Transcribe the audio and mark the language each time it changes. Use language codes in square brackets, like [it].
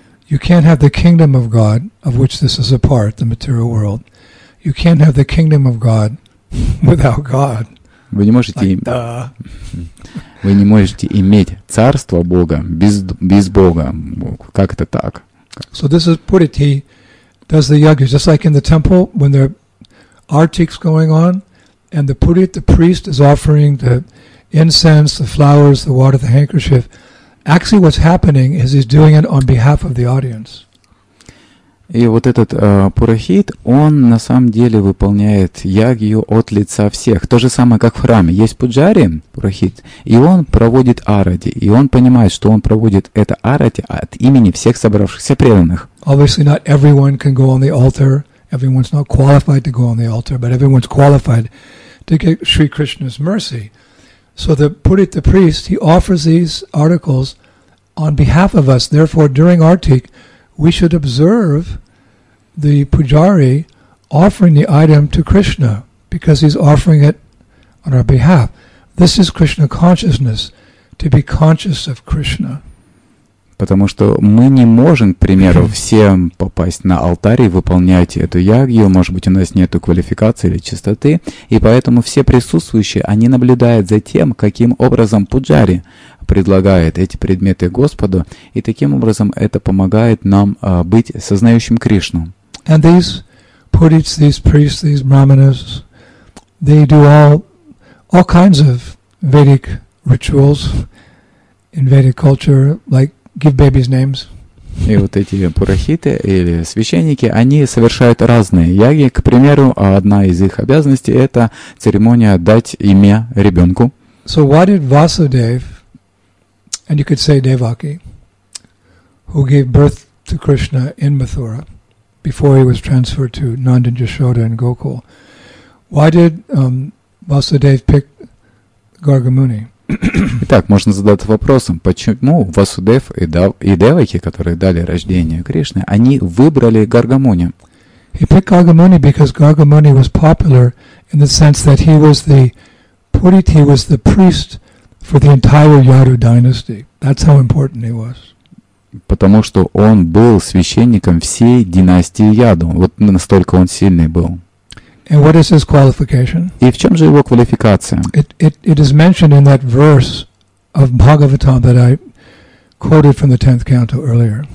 [en] You can't have the kingdom of God, of which this is a part, the material world. You can't have the kingdom of God without God. [ru] Вы не можете, [en] like, duh. [ru] Вы не можете иметь царство Бога без Бога. Как это так? [en] So this is purity. Does the yagyas, just like in the temple, when there are artics going on, and the purit, the priest, is offering the incense, the flowers, the water, the handkerchief, actually what's happening is he's doing it on behalf of the audience. [ru] И вот этот пурохит, он на самом деле выполняет ягью от лица всех. То же самое, как в храме. Есть пуджари, пурохит, и он проводит арати. И он понимает, что он проводит это арати от имени всех собравшихся преданных. [en] Obviously, not everyone can go on the altar. Everyone's not qualified to go on the altar, but everyone's qualified to get Sri Krishna's mercy. So the purit, the priest, he offers these articles on behalf of us. Therefore, during artik, we should observe the pujari offering the item to Krishna because he's offering it on our behalf. This is Krishna consciousness, to be conscious of Krishna. [ru] Потому что мы не можем, к примеру, всем попасть на алтарь и выполнять эту ягью. Может быть, у нас нет квалификации или чистоты. И поэтому все присутствующие, они наблюдают за тем, каким образом пуджари предлагает эти предметы Господу. И таким образом это помогает нам быть сознающим Кришну. [en] And these purits, these priests, these brahmanas, they do all kinds of Vedic rituals in Vedic culture, like give babies names. [ru] И вот эти пурохиты или священники, они совершают разные яги. К примеру, одна из их обязанностей — это церемония дать имя ребенку. [en] So why did Vasudev, and you could say Devaki, who gave birth to Krishna in Mathura before he was transferred to Nandan Yashoda in Gokul. Why did Vasudev pick Gargamuni? [ru] Итак, можно задаться вопросом, почему Васудев и Деваки, которые дали рождение Кришне, они выбрали Гаргамуни? [en] He picked Gargamuni because Gargamuni was popular in the sense that he was the Purit, he was the priest for the entire Yadu dynasty. That's how important he was. [ru] Потому что он был священником всей династии Яду. Вот настолько он сильный был. [en] And what is his qualification? [ru] И в чем же его квалификация? [en] It is mentioned in that verse of Bhagavatam that I quoted from the 10th canto earlier.